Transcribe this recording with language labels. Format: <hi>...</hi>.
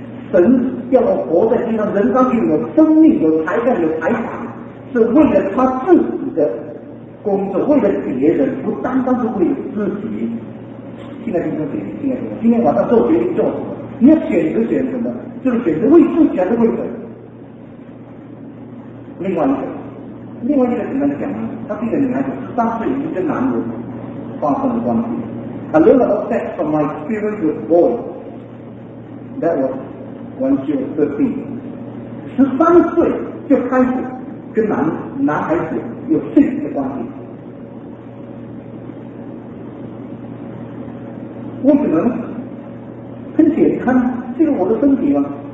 <zh>神叫我们活在地上，人当中有生命，有才干，有财产，是为了他自己的工作，为了别人，不单单是为自己。现在听说谁？今天晚上做决定做什么？你要选择的，就是选择为自己还是为谁？另外一个怎么讲呢？他是一个女孩子，三岁已经跟男人发生了关系。</zh> <en>A little upset from my experience with boy. That was when she was 13.</en> <zh>13岁就开始跟男孩子有性的关系。我只能很简单，这是我的身体吗？</zh>